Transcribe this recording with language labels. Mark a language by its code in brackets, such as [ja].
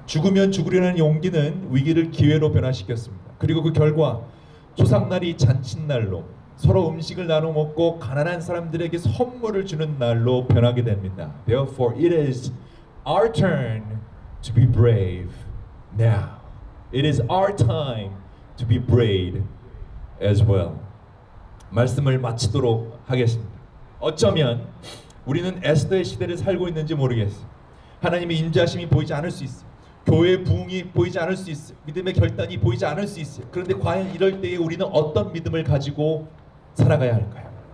[ko] 죽으면 죽으리라는 용기는 위기를 기회로 변화시켰습니다. 그리고 그 결과 조상날이 잔칫날로 서로 음식을 나눠 먹고 가난한 사람들에게 선물을 주는 날로 변하게 됩니다. [en] Therefore, it is our turn to be brave now. It is our time to be brave as well. [ko] 말씀을 마치도록 하겠습니다. 어쩌면 우리는 에스더의 시대를 살고 있는지 모르겠어요. 하나님의 인자심이 보이지 않을 수 있어요. 교회의 부흥이 보이지 않을 수 있어요. 믿음의 결단이 보이지 않을 수 있어요. 그런데 과연 이럴 때에 우리는 어떤 믿음을 가지고 살아가야 할까요?